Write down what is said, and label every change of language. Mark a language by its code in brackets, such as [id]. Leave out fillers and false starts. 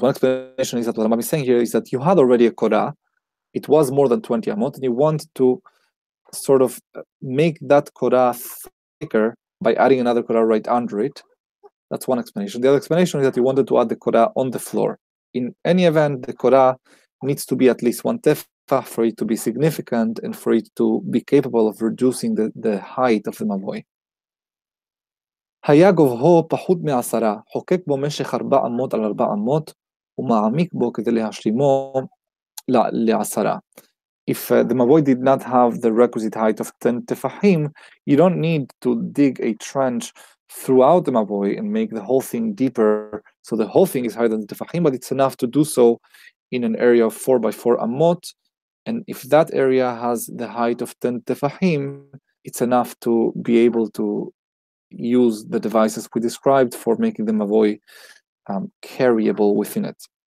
[en] One explanation is that what Rambam is saying here is that you had already a korah, it was more than 20 amot, and you want to sort of make that korah thicker by adding another korah right under it. That's one explanation. The other explanation is that you wanted to add the korah on the floor. In any event, the korah needs to be at least one tefah for it to be significant and for it to be capable of reducing the height of the mavoi. [he] היה גובהו פחות מעשרה, חוקק בו משך 4 אמות על 4 אמות, ומעמיק בו כדי להשלימו לעשרה. [en] If the mavoi did not have the requisite height of 10 tefahim, you don't need to dig a trench throughout the mavoi and make the whole thing deeper, so the whole thing is higher than the tefahim, but it's enough to do so in an area of 4 by 4 amot, and if that area has the height of 10 tefahim, it's enough to be able to use the devices we described for making the mavoi carryable within it.